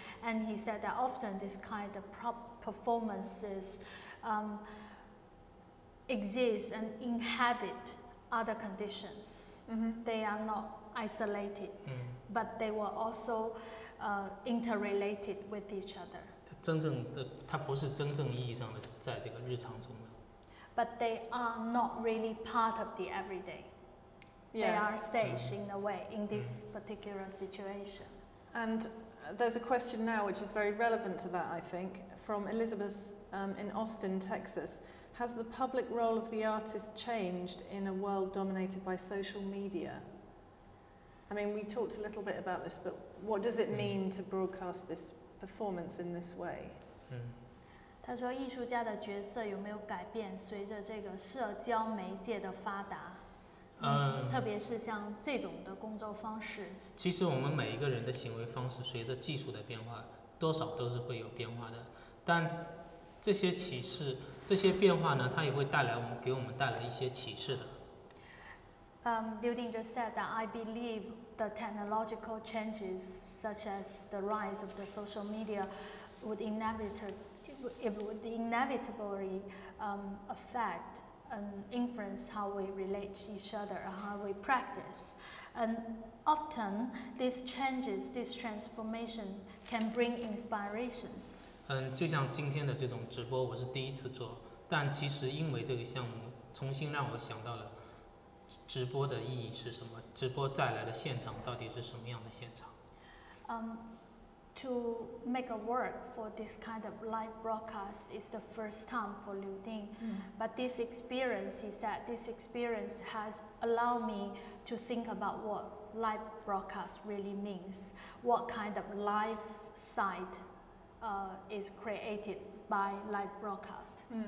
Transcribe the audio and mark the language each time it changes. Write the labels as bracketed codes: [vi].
[en] And he said that often this kind of performances exist and inhabit other conditions. Mm-hmm. They are not isolated, but they were also interrelated with each other. [zh] 真正的它不是真正意义上的在这个日常中的。 [en] But they are not really part of the everyday. Yeah. They are staged in a way in this particular situation. And there's a question now which is very relevant to that, I think, from Elizabeth in Austin, Texas. Has the public role of the artist changed in a world dominated by social media? I mean, we talked a little bit about this, but what does it mean to broadcast this? Performance in this way. [zh] 他说艺术家的角色有没有改变随着这个社交媒介的发达，特别是像这种的工作方式。其实我们每一个人的行为方式随着技术的变化多少都是会有变化的，但这些启示，这些变化呢，它也会带来我们，给我们带来一些启示的。 [en] Liu Ding just said that I believe the technological changes, such as the rise of the social media, would inevitably affect and influence how we relate to each other, how we practice. And often, these changes, this transformation, can bring inspirations. [zh] 就像今天的这种直播，我是第一次做，但其实因为这个项目，重新让我想到了。直播的意义是什么？直播带来的现场到底是什么样的现场？ [en] To make a work for this kind of live broadcast is the first time for Liu Ding. But this experience, he said, this experience has allowed me to think about what live broadcast really means. What kind of live site is created by live broadcast?